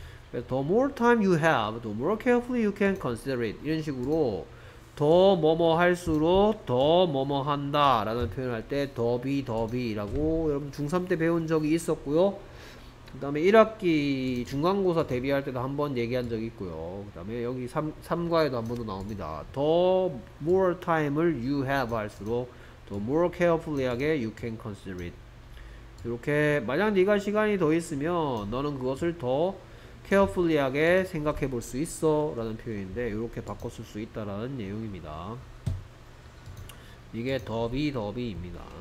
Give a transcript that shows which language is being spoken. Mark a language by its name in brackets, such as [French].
[Korean] 그래서 [English] the more time you have the more carefully you can consider it [Korean] 이런 식으로 더 뭐뭐 할수록 더 뭐뭐 한다 라는 표현을 할 때 더비 더비 라고 여러분 중3 때 배운 적이 있었고요. 그 다음에 1학기 중간고사 대비할 때도 한번 얘기한 적이 있고요. 그 다음에 여기 3과에도 한 번 더 나옵니다. [English] The more time을 you have [Korean] 할수록 [English] the more carefully하게 you can consider it. [Korean] 이렇게 만약 네가 시간이 더 있으면 너는 그것을 더 carefully하게 생각해 볼 수 있어 라는 표현인데 이렇게 바꿨을 수 있다라는 내용입니다. 이게 더비 더비입니다.